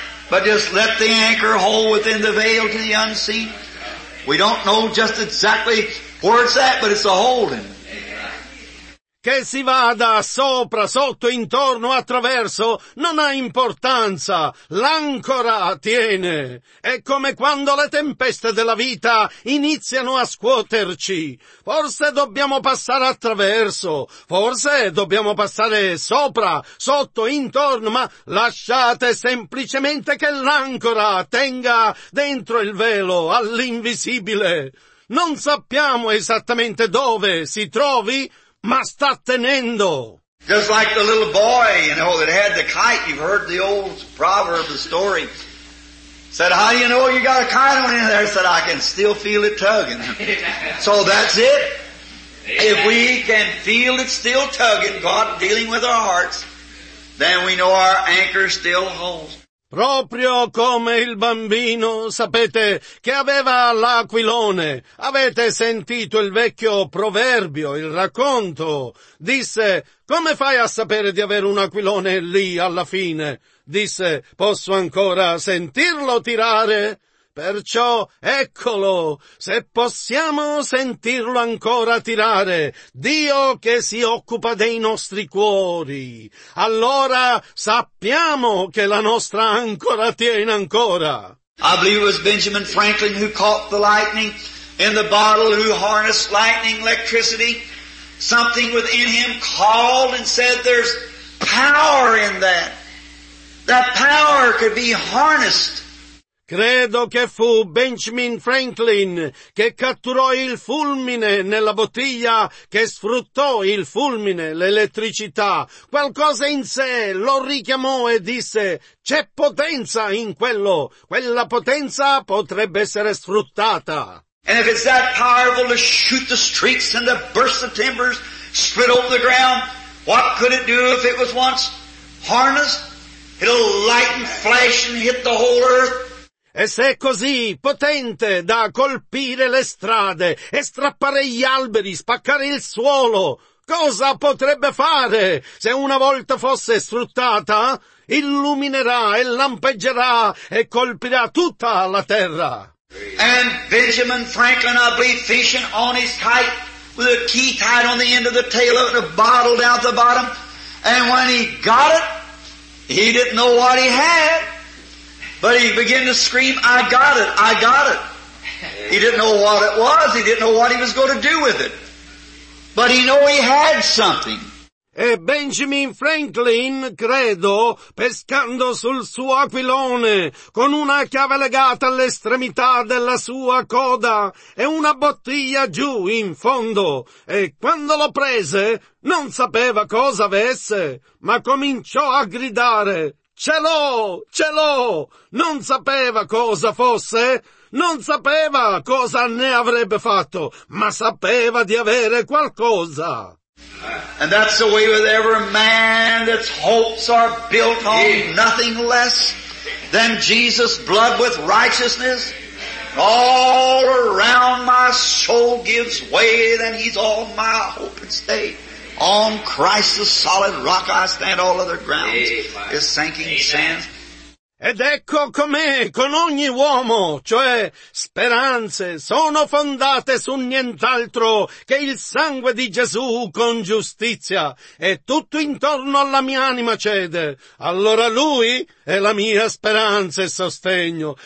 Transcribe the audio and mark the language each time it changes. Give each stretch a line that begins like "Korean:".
English: But just let the anchor hold within the veil to the unseen. We don't know just exactly where it's at, but it's a holding.
Italian: Che si vada sopra, sotto, intorno, attraverso, non ha importanza. L'ancora tiene. È come quando le tempeste della vita iniziano a scuoterci. Forse dobbiamo passare attraverso, forse dobbiamo passare sopra, sotto, intorno, ma lasciate semplicemente che l'ancora tenga dentro il velo, all'invisibile. Non sappiamo esattamente dove si trovi, ma sta tenendo.
English: Just like the little boy, you know, that had the kite. You've heard the old proverb, the story. Said, how do you know you got a kite on in there? Said, I can still feel it tugging. So that's it. Yeah. If we can feel it still tugging, God dealing with our hearts, then we know our anchor still holds.
Italian: Proprio come il bambino, sapete, che aveva l'aquilone. Avete sentito il vecchio proverbio, il racconto. Disse, come fai a sapere di avere un aquilone lì alla fine? Disse, posso ancora sentirlo tirare? Perciò, eccolo, se possiamo sentirlo ancora tirare, Dio che si occupa dei nostri cuori, allora sappiamo che la nostra ancora tiene ancora.
English: I believe it was Benjamin Franklin who caught the lightning in the bottle, who harnessed lightning, electricity. Something within him called and said, there's power in that. That power could be harnessed.
Italian: Credo che fu Benjamin Franklin che catturò il fulmine nella bottiglia, che sfruttò il fulmine, l'elettricità. Qualcosa in sé lo richiamò e disse, c'è potenza in quello, quella potenza potrebbe essere sfruttata.
English: And if it's that powerful to shoot the streets and to burst the timbers, split over the ground, what could it do if it was once harnessed? It'll light and flash and hit the whole earth.
Italian: E se è così potente da colpire le strade, e strappare gli alberi, spaccare il suolo, cosa potrebbe fare se una volta fosse sfruttata? Illuminerà e lampeggerà e colpirà tutta la terra.
English: And Benjamin Franklin, I believe, fishing on his kite with a key tied on the end of the tail of it, a bottle down at the bottom. And when he got it, he didn't know what he had. But he began to scream, I got it, I got it. He didn't know what it was, he didn't know what he was going to do with it. But he knew he had something.
Italian: E Benjamin Franklin, credo, pescando sul suo aquilone, con una chiave legata all'estremità della sua coda, e una bottiglia giù in fondo, e quando lo prese, non sapeva cosa avesse, ma cominciò a gridare, ce l'ho! Ce l'ho! Non sapeva cosa fosse, non sapeva cosa ne avrebbe fatto, ma sapeva di avere qualcosa.
English: And that's the way with every man, that hopes are built on nothing less than Jesus' blood with righteousness. All around my soul gives way, then He's all my hope and stay. On Christ the solid rock I stand, all other grounds is sinking sands.
Italian: Ed ecco com'è con ogni uomo, cioè speranze sono fondate su nient'altro che il sangue di Gesù con giustizia, e tutto intorno alla mia anima cede. Allora Lui è la mia speranza e sostegno.